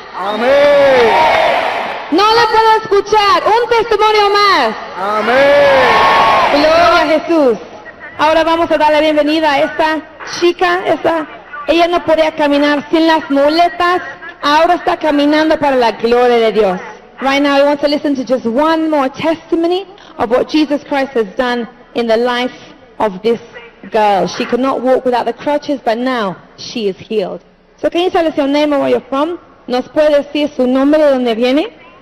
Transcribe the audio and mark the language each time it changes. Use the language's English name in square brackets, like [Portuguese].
[Spanish] Amén. No lo puedo escuchar. Un testimonio más. Amén. Gloria a Jesús. Ahora vamos a dar la bienvenida a esta chica. Ella no podía caminar sin las muletas. Ahora está caminando para la gloria de Dios. [English] Right now I want to listen to just one more testimony of what Jesus Christ has done in the life of this girl. She could not walk without the crutches, but now she is healed. So can you tell us your name and where you're from? [Spanish] ¿Nos puede decir su nombre, de dónde viene?